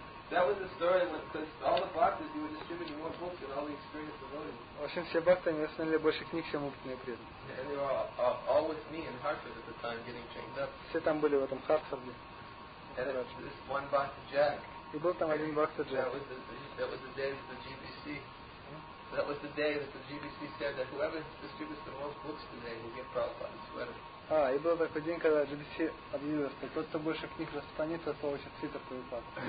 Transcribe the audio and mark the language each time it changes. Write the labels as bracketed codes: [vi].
[en] That was the story because all the bhaktas you were distributing more books than all the experienced devotees. [ru] В общем, все бхакты не остановили больше книг, чем опытные преданные. [en] And they were all with me in Hartford at the time getting trained up. [ru] Все там были в этом Хартфорде. [en] And this one bhakta Jack. [ru] И был там один бхакта Джек. [en] That was the day of the GBC. That was the day that the GBC said that whoever distributes the most books today will get Prabhupada's sweater. [ru] И был такой день, когда GBC объявил, что тот, кто больше книг распространит, тот получит свитер Прабхупады.